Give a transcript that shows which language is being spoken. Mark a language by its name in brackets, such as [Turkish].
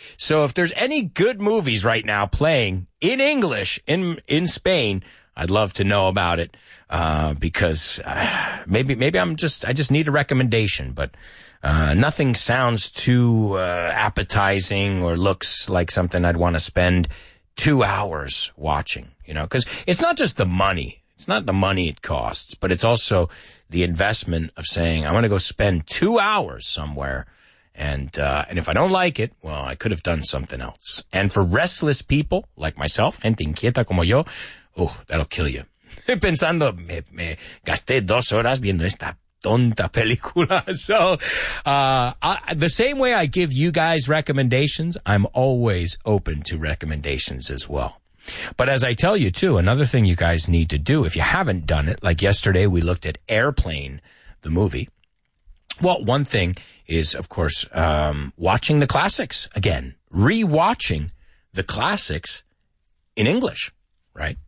[English] So if there's any good movies right now playing in English in Spain, I'd love to know about it because maybe I just need a recommendation, but nothing sounds too appetizing or looks like something I'd want to spend 2 hours watching, you know, because it's not just the money. It's not the money it costs, but it's also the investment of saying, I'm going to go spend 2 hours somewhere. And if I don't like it, well, I could have done something else. And for restless people like myself, [Spanish] gente inquieta como yo, [English] oh, that'll kill you. [Spanish] Pensando, me gasté 2 horas viendo esta tonta película. [English] So the same way I give you guys recommendations, I'm always open to recommendations as well. But as I tell you, too, another thing you guys need to do, if you haven't done it, like yesterday we looked at Airplane, the movie. Well, one thing is, of course, watching the classics again, rewatching the classics in English, right?